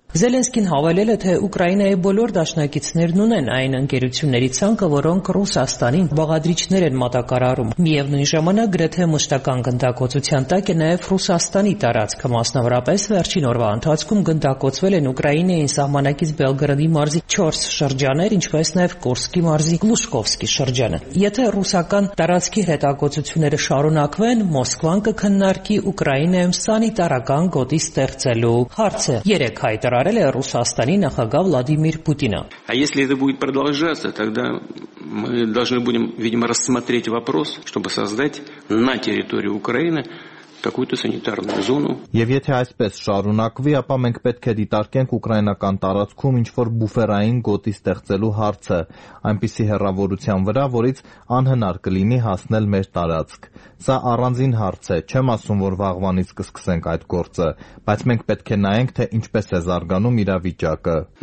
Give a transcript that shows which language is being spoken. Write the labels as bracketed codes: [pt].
[hy] Զելենսկին հավելել է, թե Ուկրաինայի բոլոր դաշնակիցներն ունեն այն ընկերությունների ցանկը, որոնք Ռուսաստանին բաղադրիչներ են մատակարարում։ Միևնույն ժամանակ գրեթե մշտական գնդակոծության տակ է նաև Ռուսաստանի տարածքը, մասնավորապես վերջին օրվա ընթացքում գնդակոծվել են Ուկրաինայի սահմանակից Բելգրադի մարզի 4 շրջաններ, ինչպես նաև Կուրսկի մարզի Գլուշկովսկի շրջանը։ Եթե ռուսական տարածքի հրետակոծությունները շարունակվեն, Մոսկվան կքննարկի Ուկրաինայում սանիտարական գոտի ստեղծելու հարցը։ 3 հայտարարել է Ռուսաստանի նախագահ Վլադիմիր Պուտինը։ [ru] Если это будет продолжаться, тогда мы должны будем, видимо, рассмотреть вопрос, чтобы создать на территории Украины какую-то санитарную зону. [hy] Եվ եթե այսպես շարունակվի, ապա մենք պետք է դիտարկենք ուկրաինական տարածքում ինչ-որ բուֆերային գոտի ստեղծելու հարցը, այնպիսի հեռավորության վրա, որից անհնար կլինի հասնել մեր տարածք։ Սա առանձին հարց է, չեմ ասում, որ վաղվանից կսկսենք այդ գործը, բայց մենք պետք է նայենք, թե ինչպես է զարգանում իրավիճակը։